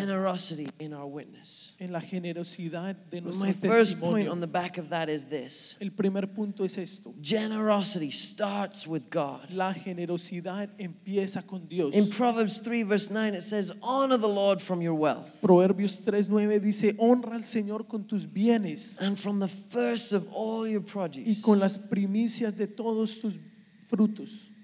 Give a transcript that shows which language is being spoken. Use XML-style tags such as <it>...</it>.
<en>and generosity in our witness.</en> <es>En la generosidad de nuestro</es> <en>my</en> <es>testimonio.</es> <en>First point on the back of that is this.</en> <es>El primer punto es esto.</es> <en>Generosity starts with God.</en> <es>La generosidad empieza con Dios.</es> <en>In Proverbs 3 verse 9 it says, honor the Lord from your wealth.</en> <es>Proverbios 3:9 dice, honra al Señor con tus bienes.</es> <en>And from the first of all your produce.</en> <es>Y con las primicias de todos tus frutos.</es>